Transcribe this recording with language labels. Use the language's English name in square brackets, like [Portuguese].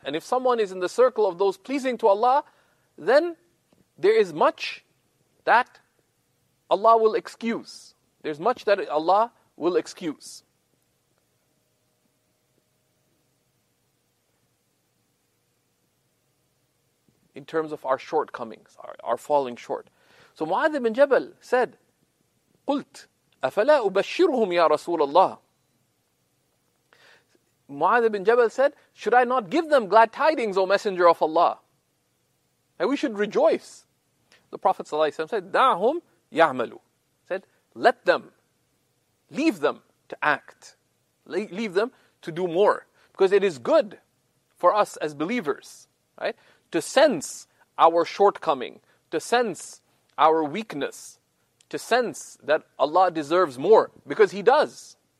[English] And if someone is in the circle of those pleasing to Allah, then there is much that Allah will excuse. There's much that Allah will excuse. In terms of our shortcomings, our falling short. So Mu'adh ibn Jabal said, [Arabic] قلت أفلا أبشرهم يا رسول الله. [English] Mu'adh ibn Jabal said, should I not give them glad tidings, O Messenger of Allah? And we should rejoice. The Prophet ﷺ said, [Arabic] دعهم يعملوا. [English] Said, let them, leave them to act. Leave them to do more. Because it is good for us as believers, right, to sense our shortcoming, to sense our weakness, to sense that Allah deserves more, because He does.